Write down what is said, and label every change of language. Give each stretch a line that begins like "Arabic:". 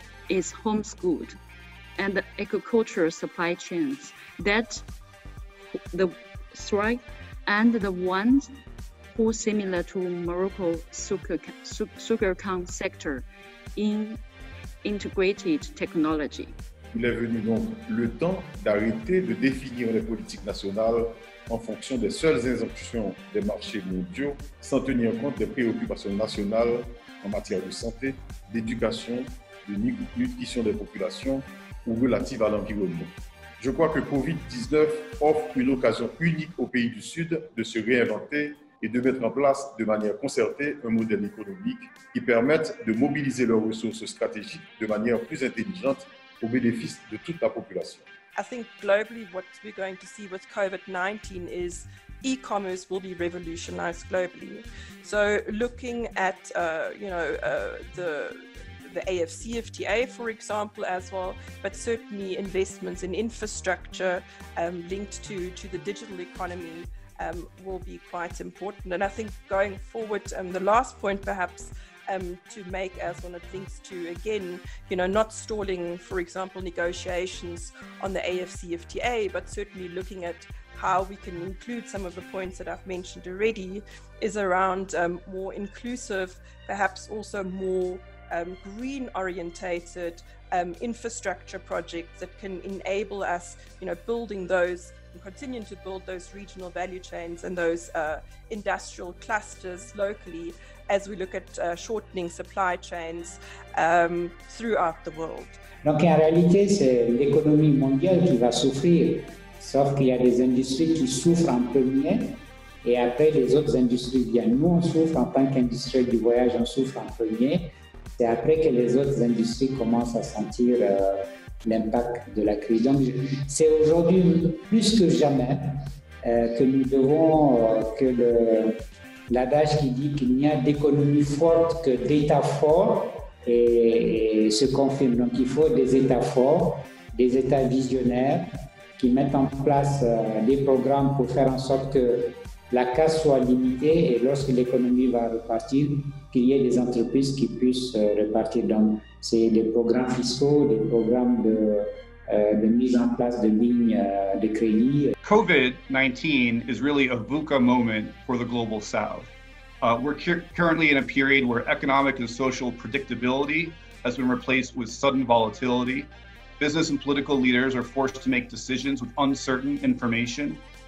French: is homeschooled and the agriculture supply chains that the strike and the ones who similar to Morocco sugar sector in integrated technology. Il est venu donc le temps d'arrêter de définir les politiques nationales en fonction des seules injonctions des marchés mondiaux sans tenir compte des préoccupations nationales en matière de santé, d'éducation, de nutrition des populations ou relatives à l'environnement. Je crois que COVID-19 offre une occasion unique aux pays du Sud de se réinventer et de mettre en place de manière concertée un modèle économique qui permette de mobiliser leurs ressources stratégiques de manière plus intelligente au bénéfice de toute la population.
English: I think globally what we're going to see with COVID-19 is e-commerce will be revolutionized globally. So looking at the AFCFTA, for example, as well, but certainly investments in infrastructure linked to the digital economy will be quite important. And I think going forward, the last point perhaps to make as one of the things to, again, you know, not stalling, for example, negotiations on the AFCFTA, but certainly looking at how we can include some of the points that I've mentioned already is around more inclusive, perhaps also more green orientated infrastructure projects that can enable us, you know, building those and continuing to build those regional value chains and those industrial clusters locally as we look at shortening supply chains throughout the world.
French: Donc en réalité, c'est l'économie mondiale qui va souffrir, sauf qu'il y a des industries qui souffrent en premier et après les autres industries viennent. Nous, on souffre en tant qu'industrie du voyage, on souffre en premier. C'est après que les autres industries commencent à sentir l'impact de la crise. Donc, c'est aujourd'hui plus que jamais que nous devons que l'adage qui dit qu'il n'y a d'économie forte que d'États forts et se confirme. Donc, il faut des États forts, des États visionnaires qui mettent en place des programmes pour faire en sorte que la casse soit limitée et lorsque l'économie va repartir, qu'il y ait des entreprises qui puissent repartir. Donc, c'est des programmes fiscaux, des programmes de mise en place de lignes de crédit.
English: COVID-19 is really a VUCA moment for the global south. We're currently in a period where economic and social predictability has been replaced with sudden volatility. Business and political leaders are forced to make decisions with uncertain information.